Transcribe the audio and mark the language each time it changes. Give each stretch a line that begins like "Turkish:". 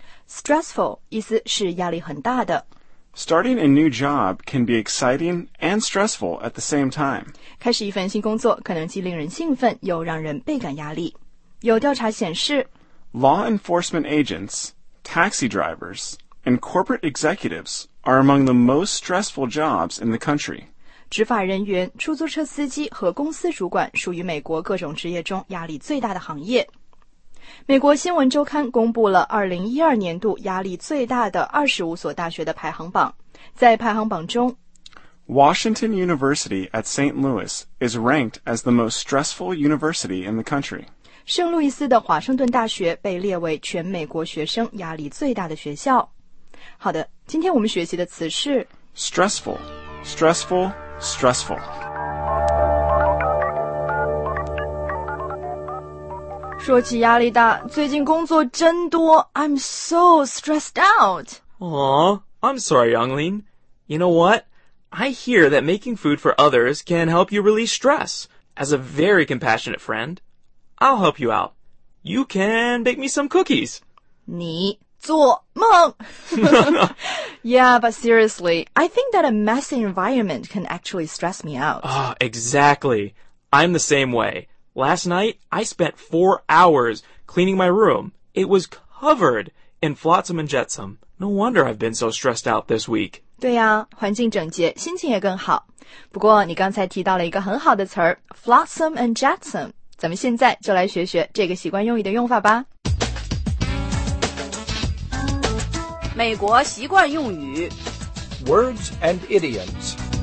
Chinese: Stressful 意思是压力很大的。
English: Starting a new job can be exciting and stressful at the same time.
Chinese: 开始一份新工作可能既令人兴奋又让人倍感压力。有调查显示
English: Law enforcement agents, taxi drivers, and corporate executivesare among the most stressful jobs in the country.
Chinese: 执法人员、出租车司机和公司主管属于美国各种职业中压力最大的行业。美国新闻周刊公布了2012年度压力最大的25所大学的排行榜。在排行榜中
English: Washington University at St. Louis is ranked as the most stressful university in the country.
Chinese: 圣路易斯的华盛顿大学被列为全美国学生压力最大的学校。好的，今天我们学习的词是
English: stressful, stressful, stressful.
Chinese: 说起压力大，最近工作真多。
English: I'm so stressed out. I'm sorry, Yanglin. You know what? I hear that making food for others can help you release stress. As a very compassionate friend, I'll help you out. You can bake me some cookies.
Chinese: 你做梦
English: Yeah, but seriously, I think that a messy environment can actually stress me out. Exactly. I'm the same way. Last night, I spent 4 hours cleaning my room. It was covered in flotsam and jetsam. No wonder I've been so stressed out this week.
Chinese: 对呀、啊、环境整洁心情也更好。不过你刚才提到了一个很好的词
English: flotsam and jetsam.
Chinese: 咱们现在就来学学这个习惯用语的用法吧。美国习惯用语
English: Words and idioms